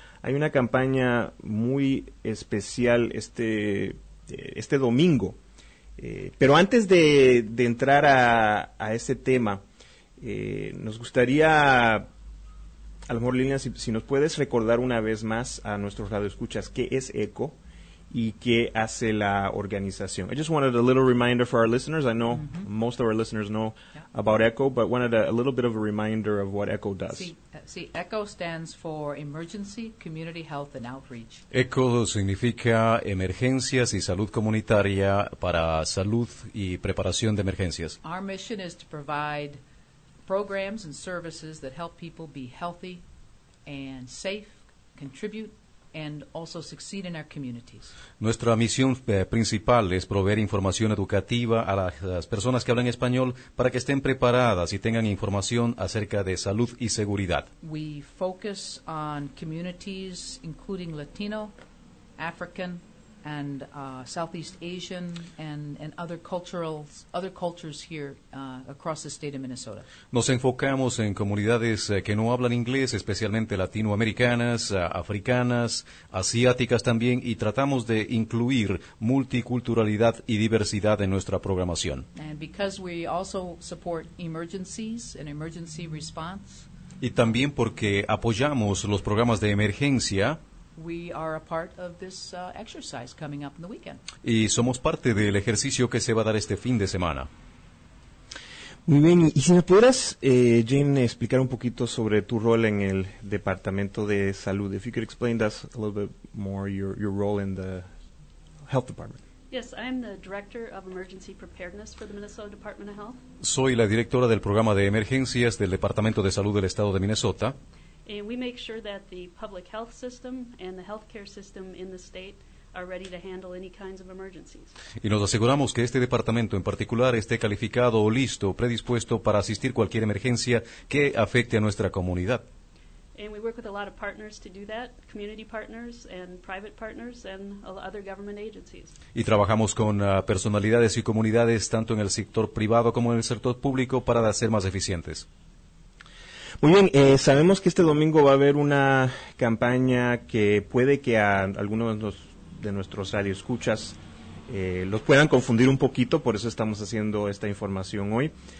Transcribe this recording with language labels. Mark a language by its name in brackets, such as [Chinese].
[Spanish] Hay una campaña muy especial este domingo. Pero antes de entrar a ese tema, nos gustaría, a lo mejor, Lilia, si nos puedes recordar una vez más a nuestros radioescuchas qué es ECO y qué hace la organización. [English] I just wanted a little reminder for our listeners. I know mm-hmm. most of our listeners know yeah. about ECO, but wanted a little bit of a reminder of what ECO does. Sí, ECO stands for Emergency Community Health and Outreach. [Spanish] ECO significa Emergencias y Salud Comunitaria para Salud y Preparación de Emergencias. [English] Our mission is to provide programs and services that help people be healthy and safe, contribute, and also succeed in our communities. [Spanish] Nuestra misión principal es proveer información educativa a las personas que hablan español para que estén preparadas y tengan información acerca de salud y seguridad. [English] We focus on communities including Latino, African, and Southeast Asian and other cultures here across the state of Minnesota. [Spanish] Nos enfocamos en comunidades que no hablan inglés, especialmente latinoamericanas, africanas, asiáticas también, y tratamos de incluir multiculturalidad y diversidad en nuestra programación. [English] And because we also support emergencies and emergency response. [Spanish] Y también porque apoyamos los programas de emergencia. [English] We are a part of this exercise coming up in the weekend. [Spanish] Y somos parte del ejercicio que se va a dar este fin de semana. Muy bien. Y si me pudieras, Jane, explicar un poquito sobre tu rol en el Departamento de Salud. [English] If you could explain to us a little bit more your role in the Health Department. Yes, I'm the Director of Emergency Preparedness for the Minnesota Department of Health. [Spanish] Soy la directora del programa de emergencias del Departamento de Salud del Estado de Minnesota. [English] And we make sure that the public health system and the healthcare system in the state are ready to handle any kinds of emergencies. [Spanish] Y nos aseguramos que este departamento en particular esté calificado o listo, predispuesto para asistir cualquier emergencia que afecte a nuestra comunidad. [English] And we work with a lot of partners to do that, community partners and private partners and other government agencies. [Spanish] Y trabajamos con personalidades y comunidades tanto en el sector privado como en el sector público para ser más eficientes. Muy bien, sabemos que este domingo va a haber una campaña que puede que a algunos de nuestros radioescuchas los puedan confundir un poquito, por eso estamos haciendo esta información hoy.